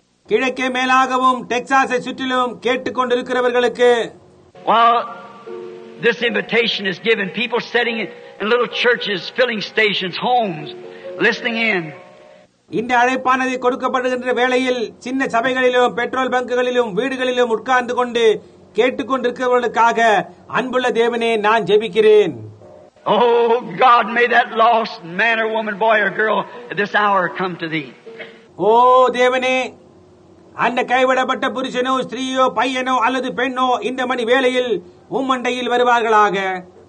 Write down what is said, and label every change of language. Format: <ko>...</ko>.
<ta>கிழக்கே மேலாகவும் டெக்சாஸை சுற்றிலும் கேட்டுக்கொண்டிருக்கிறவர்களுக்கு,</ta> <en>while this invitation is given, people sitting in little churches, filling stations, homes, listening in.</en> <ta>இந்த அழைப்பானது கொடுக்கப்படுகின்ற வேளையில் சின்ன சபைகளிலும், பெட்ரோல் பங்குகளிலும், வீடுகளிலும் உட்கார்ந்து கொண்டு கேட்டுக்கொண்டிருக்கிறவர்களுக்காக அன்புள்ள தேவனே, நான் ஜெபிக்கிறேன்.</ta> <en>Oh God, may that lost man or woman, boy or girl at this hour come to thee.</en> <ta>ஓ தேவனே, அந்த கைவிடப்பட்ட புருஷனோ, ஸ்திரீயோ, பையனோ அல்லது பெண்ணோ இந்த மணி வேளையில் உம்மண்டையில் வருவார்களாக.</ta>